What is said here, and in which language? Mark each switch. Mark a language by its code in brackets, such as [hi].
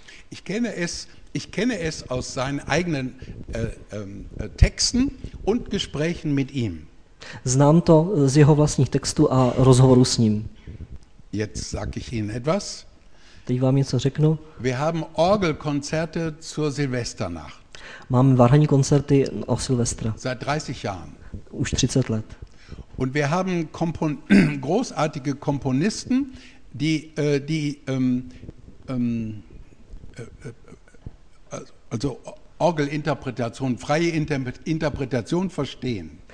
[de] Ich kenne es aus seinen eigenen Texten und Gesprächen mit ihm. [cs] Znám to z jeho vlastních textů a rozhovorů s ním. [de] Jetzt sag ich Ihnen etwas. [cs] Teď vám něco řeknu. [de] Wir haben Orgelkonzerte zur Silvesternacht. [cs] Máme varhanní koncerty o Silvestra. [de] Seit 30 Jahren. [cs] Už 30 let. [de] Und wir haben großartige Komponisten, die also Orgelinterpretation, freie Interpretation verstehen.